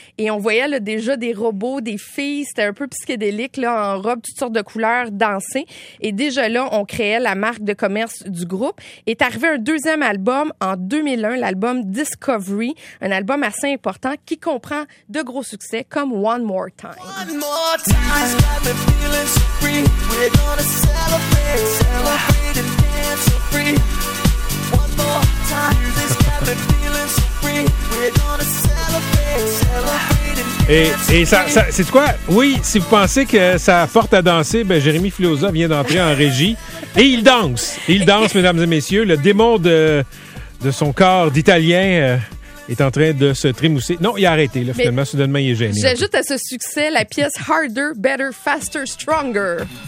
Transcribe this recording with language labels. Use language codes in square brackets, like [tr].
[fr] Et on voyait là, déjà des robots, des filles. C'était un peu psychédélique, là, en robe, toutes sortes de couleurs, danser. Et déjà là, on créait la marque de commerce du groupe. Est arrivé un deuxième album en 2001, l'album Discovery. Un album assez important qui comprend de gros succès comme One More Time. [en] One more time, I've got my feelings so free. We're gonna celebrate, celebrate and dance so free. One more time, this got my feelings so free. We're gonna celebrate, celebrate. [fr] Et ça c'est quoi? Oui, si vous pensez que ça a fort à danser, ben Jérémy Filosa vient d'entrer en régie et il danse. Il danse, mesdames et messieurs. Le démon de son corps d'Italien est en train de se trémousser. Non, il a arrêté, là, finalement. Mais soudainement, il est gêné. J'ajoute à ce succès la pièce « Harder, Better, Faster, Stronger ».